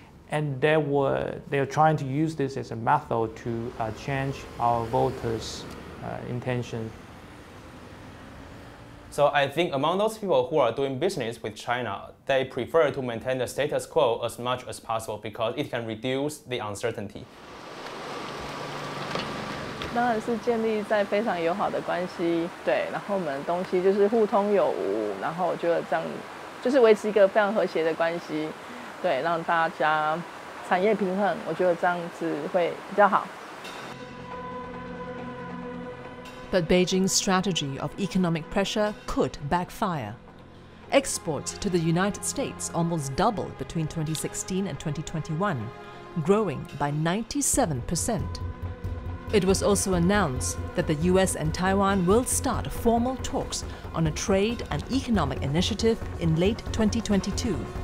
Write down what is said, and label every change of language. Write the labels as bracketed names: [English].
[English] And they are trying to use this as a method to change our voters' intention. So I think among those people who are doing business with China, they prefer to maintain the status quo as much as possible because it can reduce the uncertainty. [Chinese] 当然是建立在非常友好的关系，对，然后我们东西就是互通有无，然后我觉得这样就是维持一个非常和谐的关系，对，让大家产业平衡，我觉得这样子会比较好。 [English] But Beijing's strategy of economic pressure could backfire. Exports to the United States almost doubled between 2016 and 2021, growing by 97%. It was also announced that the US and Taiwan will start formal talks on a trade and economic initiative in late 2022.